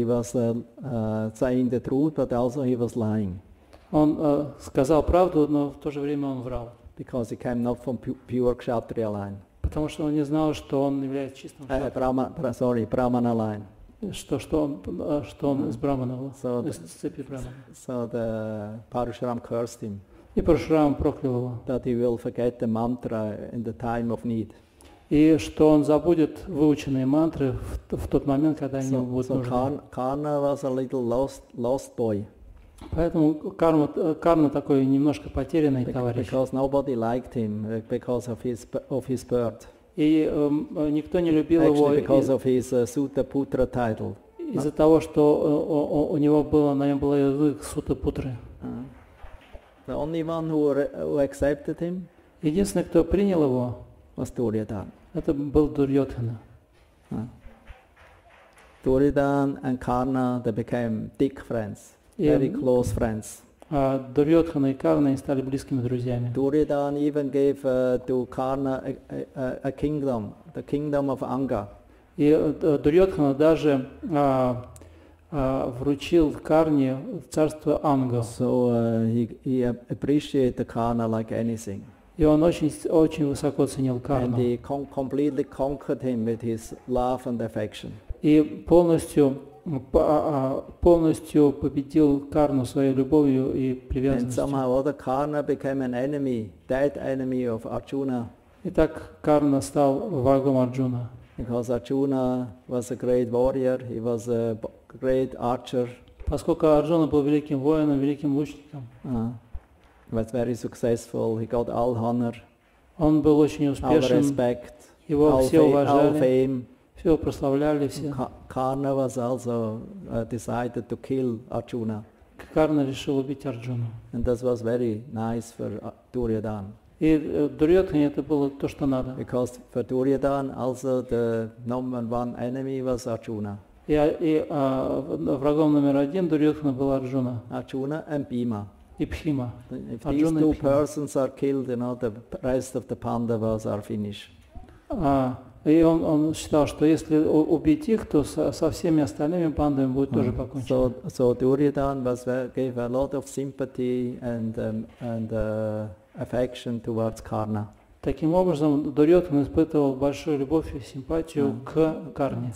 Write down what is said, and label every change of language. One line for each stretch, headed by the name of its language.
English: So he was saying the truth, but also he was lying.
Russian: Он сказал правду, но в то же время он врал.
English: Because he came not from pure Kshatriya line.
Russian: Потому что он не знал, что он является чистым Кшатрией. Брахмана line. Что он из Брахмана, из цепи Брахмана.
English: So the Парашурам cursed him.
Russian: И Парашурам проклял его.
English: That he will forget the mantra in the time of need.
Russian: И что он забудет выученные мантры в тот момент, когда они ему будут нужны.
English: Карна was a little lost boy.
Russian: Поэтому Карна такой немножко потерянный товарищ.
English: Because nobody liked him because of his birth.
Russian: И никто не любил его.
English: Actually, because of his Sutta Putra title.
Russian: Из-за того, что у него было, на нем было язык Sutta Putra.
English: The only one who accepted him.
Russian: Единственный, кто принял его. Это был Дурьотхана.
English: Дурьотхана and Карна, they became thick friends, very close friends.
Russian: Дурьотхана и Карна стали близкими друзьями.
English: Дурьотхана even gave to Карна a kingdom, the kingdom of Анга.
Russian: И Дурьотхана даже вручил Карне царство Анга.
English: So he appreciated Карна like anything.
Russian: И он очень высоко ценил Карну.
English: And he completely conquered him with his love and affection.
Russian: И полностью победил Карну своей любовью и привязанностью.
English: And somehow other Karna became an enemy, dead enemy of Arjuna.
Russian: И так Карна стал врагом Арджуна.
English: Because Arjuna was a great warrior, he was a great archer.
Russian: Поскольку Арджуна был великим воином, великим лучником.
English: Was very successful. He got all honor.
Russian: Он был очень успешен.
English: All respect.
Russian: Его
English: all
Russian: все уважали.
English: All fame.
Russian: Все прославляли все.
English: Karna was also decided to kill Arjuna.
Russian: Карна решил убить Арджуну.
English: And this was very nice for Duryodhana.
Russian: И Дурьотхане это было то, что надо.
English: Because for Duryodhana also the number one enemy was Arjuna.
Russian: И врагом номер один Дурьотхана был Арджуна.
English: Arjuna and Bhima.
Russian: И Бхима.
English: If these Arjuna two persons are killed, you know, the rest of the Pandavas are finished.
Russian: И он считал, что если убить их, то со всеми остальными пандавами будет тоже покончено.
English: So Duryodhana gave a lot of sympathy and affection towards Karna.
Russian: Таким образом, Дурьотхан испытывал большую любовь и симпатию к Карне.